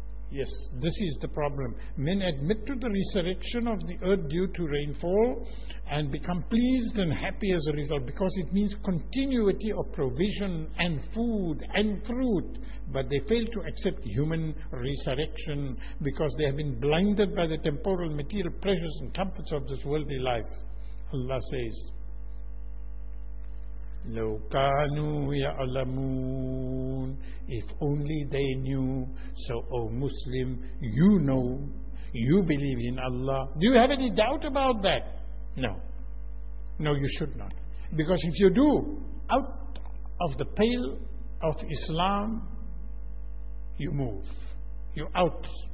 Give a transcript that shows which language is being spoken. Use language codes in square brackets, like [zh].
[en] Yes, this is the problem. Men admit to the resurrection of the earth due to rainfall and become pleased and happy as a result, because it means continuity of provision and food and fruit. But they fail to accept human resurrection because they have been blinded by the temporal material pleasures and comforts of this worldly life. Allah says, [ar] لَوْ كَانُوا يَعْلَمُونَ. [en] If only they knew. So, O Muslim, you know, you believe in Allah. Do you have any doubt about that? No. No, you should not. Because if you do, out of the pale of Islam, you move. You out.